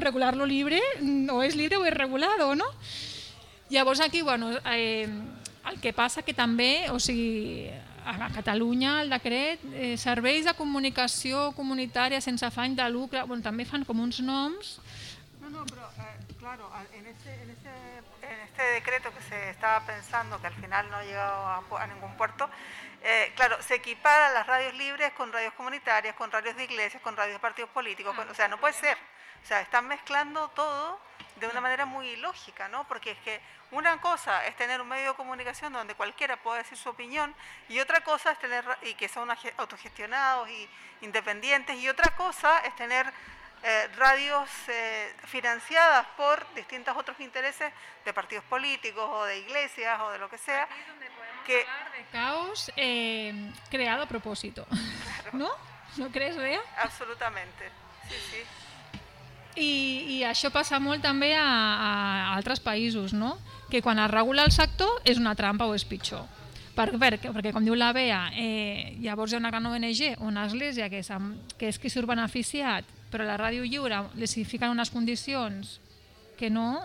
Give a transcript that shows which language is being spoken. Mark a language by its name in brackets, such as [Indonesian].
[Catalan] Regular-lo libre, o és libre o és regulat, no? Llavors aquí, bueno, el que passa que també, o sigui, a Catalunya el decret, serveis de comunicació comunitària sense afany de lucre, bueno, també fan com uns noms. [Spanish] No, però claro, en este decreto que se estaba pensando, que al final no ha llegado a ningún puerto, claro, se equipara las radios libres con radios comunitarias, con radios de iglesias, con radios de partidos políticos, o sea, no puede ser. O sea, están mezclando todo de una manera muy ilógica, ¿no? Porque es que una cosa es tener un medio de comunicación donde cualquiera pueda decir su opinión y otra cosa es tener, y que sean autogestionados y independientes, y otra cosa es tener radios financiadas por distintos otros intereses de partidos políticos o de iglesias o de lo que sea. Aquí es donde podemos hablar de caos creado a propósito. Claro. ¿No? ¿No crees, Bea? Absolutamente, sí, sí. [Catalan] I això passa molt també a altres països, no? Que quan es regula el sector és una trampa o és pitjor. Perquè com diu la Bea, llavors hi ha una gran ONG, una església, que és qui surt beneficiat, però la ràdio lliure les hi fiquen unes condicions que no...